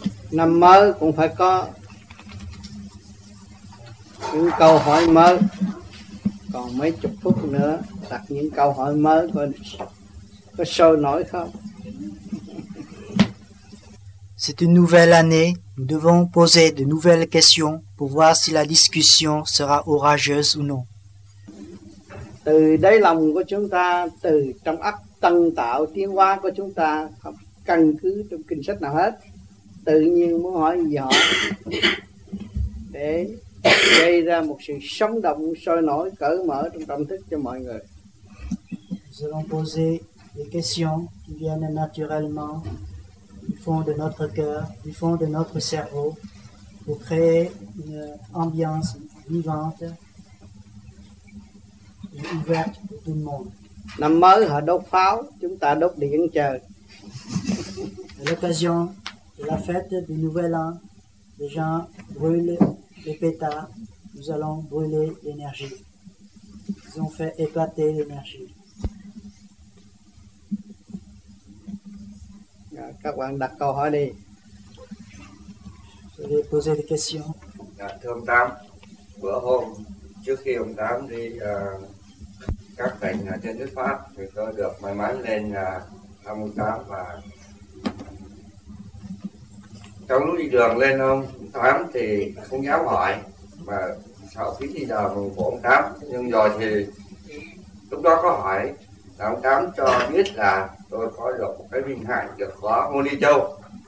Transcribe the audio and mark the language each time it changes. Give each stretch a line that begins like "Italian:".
Vietnamese: Năm mới cũng phải có những câu hỏi mới. Còn mấy chục phút nữa đặt những câu hỏi mới coi có sôi nổi không.
French: C'est une nouvelle année. Nous devons poser de nouvelles questions pour voir si la discussion sera orageuse ou non.
Vietnamese: Từ đáy lòng của chúng ta, từ trong ấp tân tạo tiến hóa của chúng ta, không căn cứ trong kinh sách nào hết, tự nhiên muốn hỏi gì họ để gây ra một sự sống động, sôi nổi, cởi mở trong tâm thức cho mọi người.
French: Nous allons poser des questions qui viennent naturellement du fond de notre cœur, du fond de notre cerveau, pour créer une ambiance vivante et ouverte pour tout le monde.
Vietnamese: Năm mới họ đốt pháo, chúng ta đốt điện trời.
French: À l'occasion de la fête du Nouvel An, les gens brûlent les pétards, nous allons brûler l'énergie. Ils ont fait éclater l'énergie.
Vietnamese: Các bạn đặt câu hỏi đi.
French: Je vais poser des questions.
Vietnamese: Dạ, thưa ông Tám, bữa hôm trước khi ông Tám đi các tỉnh trên nước Pháp thì tôi được may mắn lên thăm ông Tám, và trong lúc đi đường lên ông Tám thì không dám hỏi mà sợ phí đi đời của ông Tám, nhưng rồi thì lúc đó có hỏi là ông Tám cho biết là tôi có được một cái vinh hạnh được khóa Môn Ni Châu.